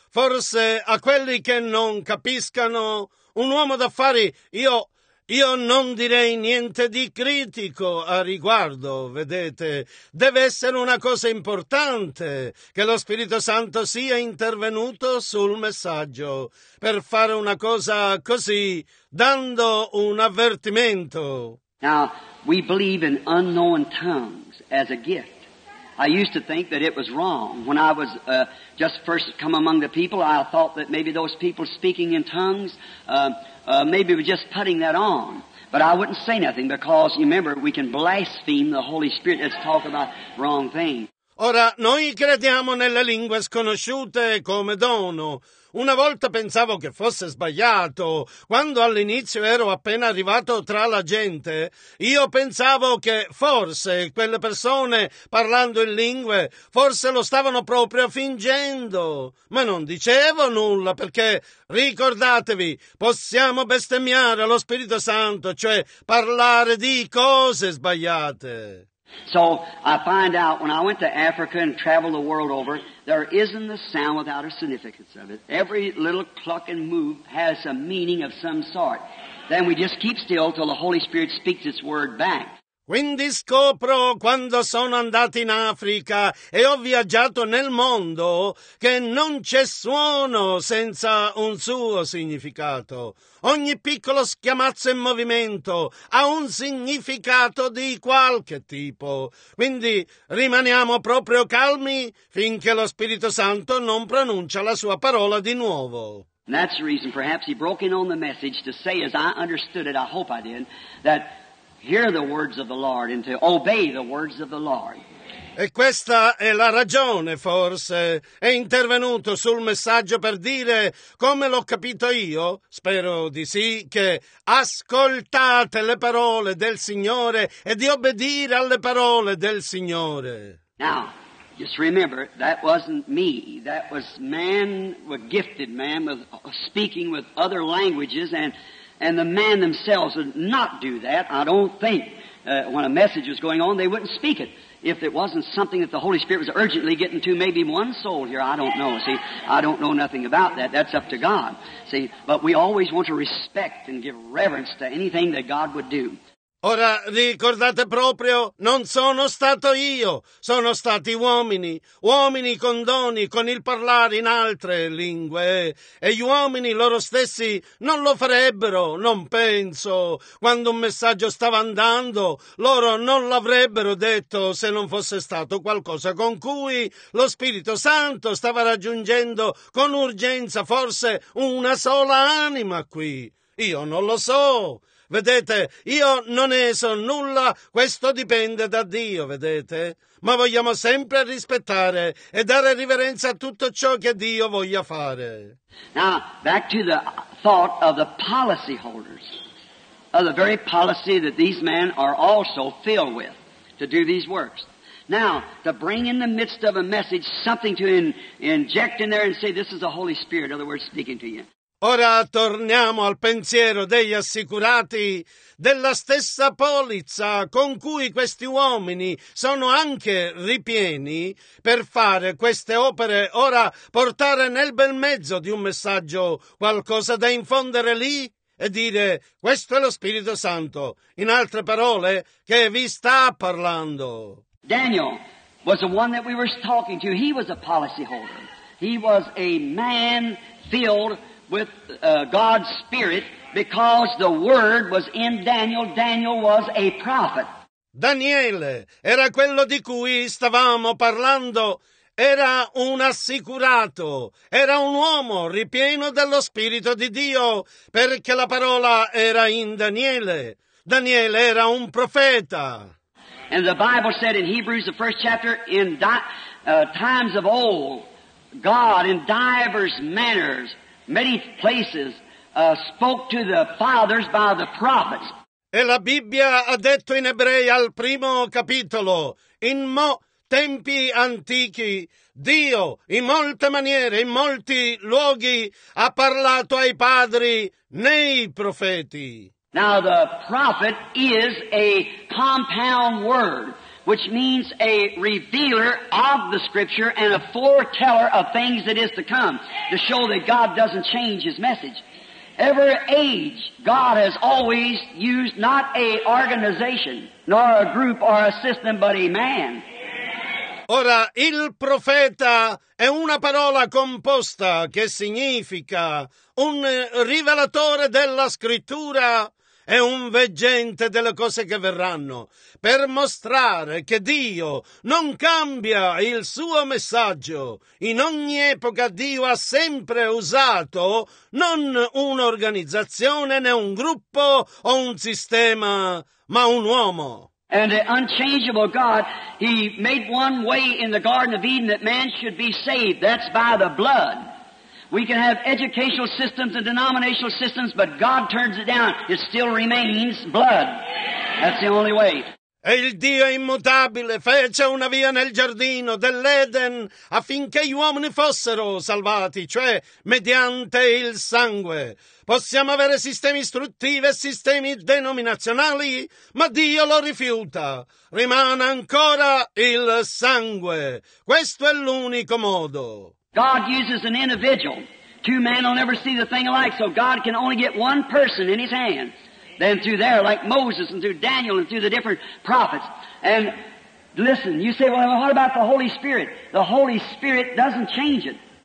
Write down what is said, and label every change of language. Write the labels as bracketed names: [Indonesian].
[Italian] Forse a quelli che non capiscano, un uomo d'affari, io non direi niente di critico a riguardo, vedete. Deve essere una cosa importante che lo Spirito Santo sia intervenuto sul messaggio per fare una cosa così, dando un avvertimento. [English] Now, we believe in unknown tongues as a gift. I used to think that it was wrong. When I was just first come among the people, I thought that maybe those people speaking in tongues, maybe we're just putting that on. But I wouldn't say nothing because, you remember, we can blaspheme the Holy Spirit. Let's talk about wrong things. [Italian] Ora, noi crediamo nelle lingue sconosciute come dono. Una volta pensavo che fosse sbagliato. Quando all'inizio ero appena arrivato tra la gente, io pensavo che forse quelle persone parlando in lingue, forse lo stavano proprio fingendo. Ma non dicevo nulla perché, ricordatevi, possiamo bestemmiare lo Spirito Santo, cioè parlare di cose sbagliate. [English] So I find out when I went to Africa and traveled the world over, there isn't a sound without a significance of it. Every little cluck and move has a meaning of some sort. Then we just keep still till the Holy Spirit speaks its word back. [Italian] Quindi scopro quando sono andato in Africa e ho viaggiato nel mondo che non c'è suono senza un suo significato. Ogni piccolo schiamazzo in movimento ha un significato di qualche tipo. Quindi rimaniamo proprio calmi finché lo Spirito Santo non pronuncia la sua parola di nuovo. [English] And that's the reason perhaps he broke in on the message to say, as I understood it, I hope I did, that hear the words of the Lord and to obey the words of the Lord. [Italian] E questa è la ragione, forse. È intervenuto sul messaggio per dire, come l'ho capito io, spero di sì, che ascoltate le parole del Signore e di obbedire alle parole del Signore. [English] Now, just remember, that wasn't me. That was man, a gifted man, speaking with other languages and the man themselves would not do that. I don't think when a message was going on, they wouldn't speak it. If it wasn't something that the Holy Spirit was urgently getting to, maybe one soul here, I don't know. See, I don't know nothing about that. That's up to God. See, but we always want to respect and give reverence to anything that God would do. [Italian] Ora, ricordate proprio, non sono stato io, sono stati uomini, uomini con doni, con il parlare in altre lingue, e gli uomini loro stessi non lo farebbero, non penso, quando un messaggio stava andando, loro non l'avrebbero detto se non fosse stato qualcosa con cui lo Spirito Santo stava raggiungendo con urgenza forse una sola anima qui, io non lo so. Vedete, io non ne so nulla, questo dipende da Dio, vedete? Ma vogliamo sempre rispettare e dare riverenza a tutto ciò che Dio voglia fare. [English] Now, back to the thought of the policy holders, of the very policy that these men are also filled with to do these works. Now, to bring in the midst of a message something to inject in there and say, this is the Holy Spirit, in other words, speaking to you. [Italian] Ora torniamo al pensiero degli assicurati della stessa polizza con cui questi uomini sono anche ripieni per fare queste opere. Ora portare nel bel mezzo di un messaggio qualcosa da infondere lì e dire questo è lo Spirito Santo, in altre parole che vi sta parlando. [English] Daniel was the one that we were talking to. He was a policy holder. He was a man filled with God's spirit because the word was in Daniel. Daniel was a prophet. [Italian] Daniele era quello di cui stavamo parlando, era un assicurato, era un uomo ripieno dello spirito di Dio perché la parola era in Daniele. Daniele era un profeta. [English] And the Bible said in Hebrews, the first chapter, in times of old, God in divers manners, many places, spoke to the fathers by the prophets. [Italian] E la Bibbia ha detto in Ebrei al primo capitolo, in mo tempi antichi, Dio in molte maniere, in molti luoghi, ha parlato ai padri nei profeti. [English] Now the prophet is a compound word, which means a revealer of the scripture and a foreteller of things that is to come, to show that God doesn't change his message. Every age, God has always used not a organization, nor a group or a system, but a man. [Italian] Ora, il profeta è una parola composta che significa un rivelatore della scrittura e un veggente delle cose che verranno, per mostrare che Dio non cambia il suo messaggio. In ogni epoca Dio ha sempre usato non un'organizzazione né un gruppo o un sistema, ma un uomo. [English] And the unchangeable God, he made one way in the Garden of Eden that man should be saved. That's by the blood. We can have educational systems and denominational systems, but God turns it down. It still remains blood. That's the only way. [Italian] E il Dio immutabile fece una via nel giardino dell'Eden affinché gli uomini fossero salvati, cioè mediante il sangue. Possiamo avere sistemi istruttivi e sistemi denominazionali, ma Dio lo rifiuta. Rimane ancora il sangue. Questo è l'unico modo. [English] God uses an individual. Two men will never see the thing alike, so God can only get one person in his hand. Then through there, like Moses, and through Daniel, and through the different prophets. And listen, you say, well, what about the Holy Spirit? The Holy Spirit doesn't change it.